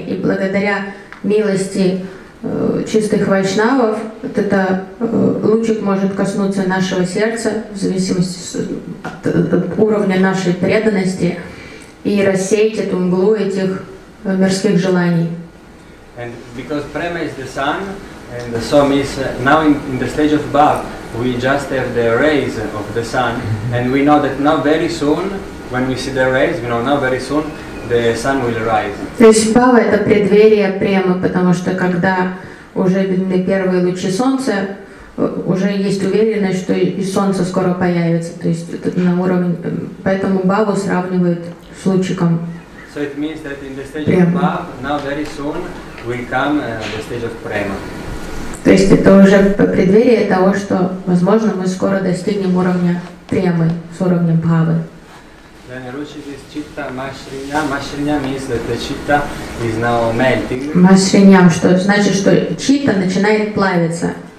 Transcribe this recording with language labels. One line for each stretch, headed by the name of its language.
Russian: И благодаря милости чистых вайшнавов, вот этот лучик может коснуться нашего сердца в зависимости от уровня нашей преданности и рассеять эту мглу этих мирских желаний.
English: And because prema is the sun, and so is now in the stage of bhav, we just have the rays of the sun, and we know that now very soon, when we see the rays, we know now very soon the sun will rise.
Russian: То есть бхава — это преддверие премы, потому что когда уже видны первые лучи солнца, уже есть уверенность, что и солнце скоро появится, то есть это на уровень, поэтому Бабу сравнивают с лучиком.
English: So it means that in the stage of love, now very soon will come the stage of prema.
Russian: То есть это уже преддверие того, что, возможно, мы скоро достигнем уровня премы, с уровнем бхавы. Машриням, что значит, что читта начинает плавиться.